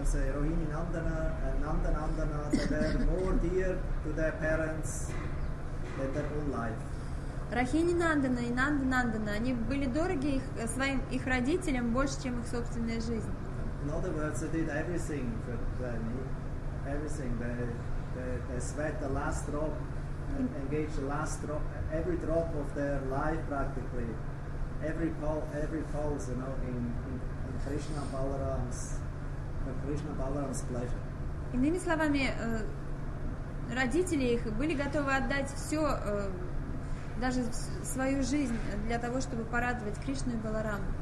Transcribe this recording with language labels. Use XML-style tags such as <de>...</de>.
<en>Rohini Nandana and Nandana, they are more dear to their parents than their own life.</en> <ru>Рохини Нандана и Нанда Нандана, они были дороги своим родителям больше, чем их собственная жизнь.</ru> <en>In other words, they did everything for them. Everything. They sweat the last drop, engaged the last drop, every drop of their life practically. Every pulse, you know, in Krishna Balaram's, in Krishna Balaram's pleasure.</en> <ru>Иными словами, родители их были готовы отдать все, даже свою жизнь для того, чтобы порадовать Кришну и Баларам.</ru>